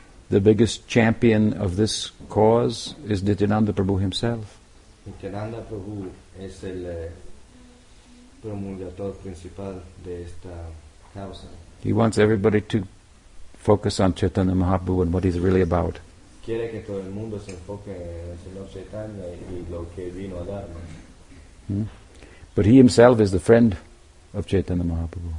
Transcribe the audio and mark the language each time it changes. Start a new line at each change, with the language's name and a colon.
English: The biggest champion of this cause is Nityananda Prabhu himself.
Spanish: Nityananda Prabhu es el promulgador principal de esta causa.
English: He wants everybody to focus on Chaitanya Mahaprabhu and what he's really about.
Spanish: Quiere que todo el mundo se enfoque en el Señor Chaitanya y lo que vino a dar.
English: But he himself is the friend of Chaitanya Mahaprabhu.